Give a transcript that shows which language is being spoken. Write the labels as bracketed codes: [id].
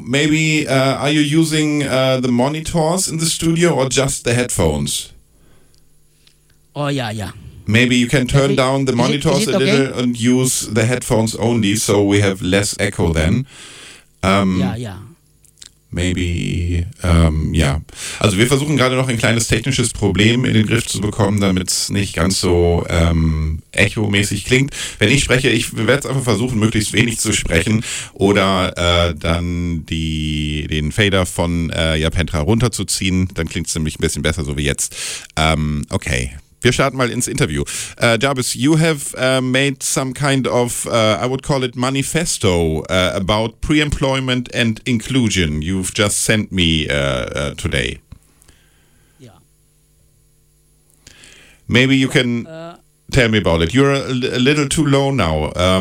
[en] Maybe are you using the monitors in the studio or just the headphones? Oh, yeah. Maybe you can turn down the monitors a little and use the headphones only so we have less echo then. [de] Also wir versuchen gerade noch ein kleines technisches Problem in den Griff zu bekommen, damit es nicht ganz so echomäßig klingt. Wenn ich spreche, ich werde es einfach versuchen, möglichst wenig zu sprechen oder den Fader von Japentra runterzuziehen. Dann klingt es nämlich ein bisschen besser, so wie jetzt. Okay. Wir starten mal ins Interview. [en] Jarvis, you have made some kind of, I would call it manifesto about pre-employment and inclusion. You've just sent me today. Yeah. Maybe you can tell me about it. You're a little too low now.